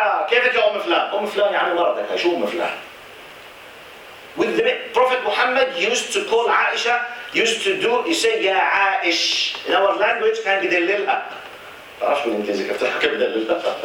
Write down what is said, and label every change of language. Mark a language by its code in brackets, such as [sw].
[ar] كيفك يا أم فلان؟ أم فلان يعني مرضك. شو أم فلان؟ [en] With the Prophet Muhammad used to call Aisha, used to do, you say, يا عائش. In our language, [ar] كان بدللها. عرفش بالإنجليزي كيف تحكي بدللها.